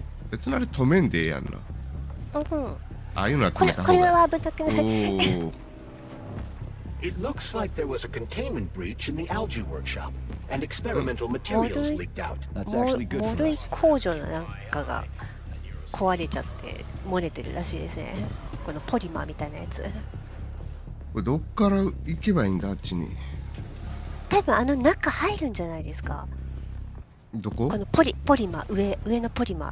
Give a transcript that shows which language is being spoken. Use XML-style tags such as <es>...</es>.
<ja>別なり止めんでええやんな。うん。ああいうのは止めた方が。これは危なくない。</ja> <en>It looks like there was a containment breach in the algae workshop, and experimental materials leaked out. That's actually good for us.</en> <ja>漏れ工場のなんかが壊れちゃって漏れてるらしいですね。このポリマーみたいなやつ。これどっから行けばいいんだ、あっちに。多分あの中入るんじゃないですか。どこ？このポリマー、上のポリマー。</ja>